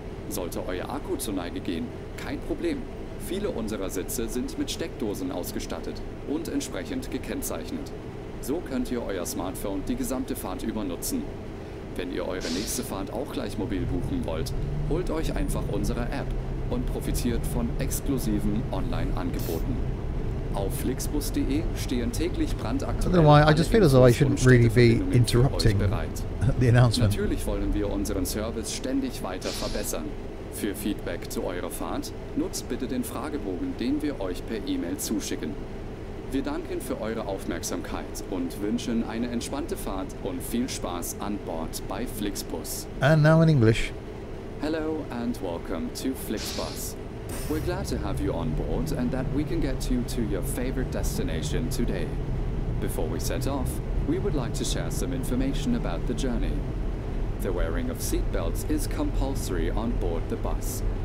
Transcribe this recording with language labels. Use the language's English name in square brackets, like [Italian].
[German] Sollte euer Akku zur Neige gehen, kein Problem. Viele unserer Sitze sind mit Steckdosen ausgestattet und entsprechend gekennzeichnet. So könnt ihr euer Smartphone die gesamte Fahrt über nutzen. Wenn ihr eure nächste Fahrt auch gleich mobil buchen wollt, holt euch einfach unsere App und profitiert von exklusiven Online-Angeboten. Auf flixbus.de stehen täglich brandaktuelle. [English] I don't know why, I just feel as though I shouldn't really be interrupting the announcement. [German] Natürlich wollen wir unseren Service ständig weiter verbessern. Für Feedback zu eurer Fahrt nutzt bitte den Fragebogen, den wir euch per E-Mail zuschicken. Wir danken für eure Aufmerksamkeit und wünschen eine entspannte Fahrt und viel Spaß an Bord bei Flixbus. [English] And now in English. Hello and welcome to Flixbus. We're glad to have you on board and that we can get you to your favorite destination today. Before we set off, we would like to share some information about the journey. The wearing of seatbelts is compulsory on board the bus.